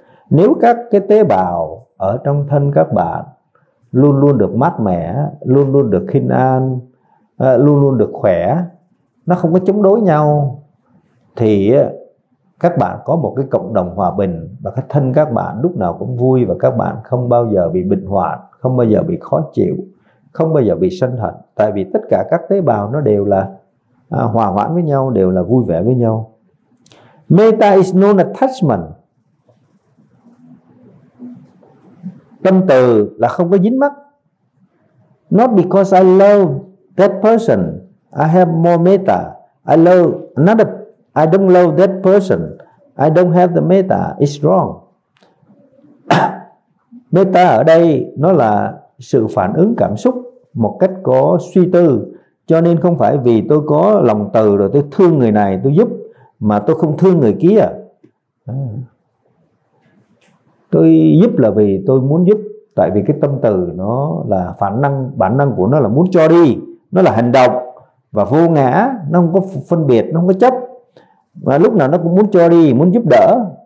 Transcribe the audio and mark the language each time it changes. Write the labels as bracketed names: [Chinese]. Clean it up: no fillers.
[Vietnamese] Nếu các cái tế bào ở trong thân các bạn luôn luôn được mát mẻ, luôn luôn được khinh an, luôn luôn được khỏe, nó không có chống đối nhau, thì các bạn có một cái cộng đồng hòa bình, và cái thân các bạn lúc nào cũng vui, và các bạn không bao giờ bị bệnh hoạn, không bao giờ bị khó chịu, không bao giờ bị sân hận. Tại vì tất cả các tế bào nó đều là hòa hoãn với nhau, đều là vui vẻ với nhau. [English] Metta is non-attachment. [Vietnamese] Tâm từ là không có dính mắc. [English] Not because I love that person, I have more metta. I love another, I don't love that person, I don't have the metta, it's wrong. [Vietnamese] Metta ở đây nó là sự phản ứng cảm xúc một cách có suy tư. Cho nên không phải vì tôi có lòng từ rồi tôi thương người này tôi giúp mà tôi không thương người kia. Tôi giúp là vì tôi muốn giúp, tại vì cái tâm từ nó là phản năng, bản năng của nó là muốn cho đi, nó là hành động và vô ngã, nó không có phân biệt, nó không có chấp, và lúc nào nó cũng muốn cho đi, muốn giúp đỡ.